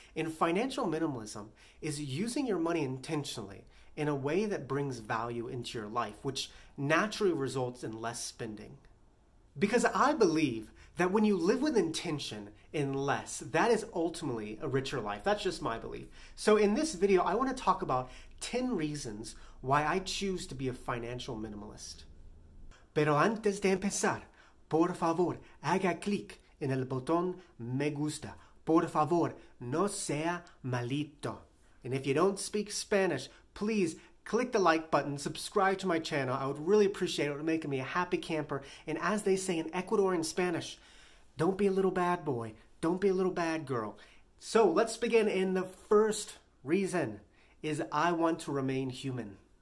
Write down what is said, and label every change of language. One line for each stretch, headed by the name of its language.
English: And financial minimalism is using your money intentionally in a way that brings value into your life, which naturally results in less spending. Because I believe that when you live with intention in less, that is ultimately a richer life. That's just my belief. So in this video, I want to talk about 10 reasons why I choose to be a financial minimalist.
Spanish: Pero antes de empezar, por favor, haga clic en el botón me gusta. Por favor, no sea malito.
English: And if you don't speak Spanish, please click the like button, subscribe to my channel. I would really appreciate it. It would make me a happy camper. And as they say in Ecuador in Spanish, don't be a little bad boy. Don't be a little bad girl. So let's begin. And the first reason is I want to remain human.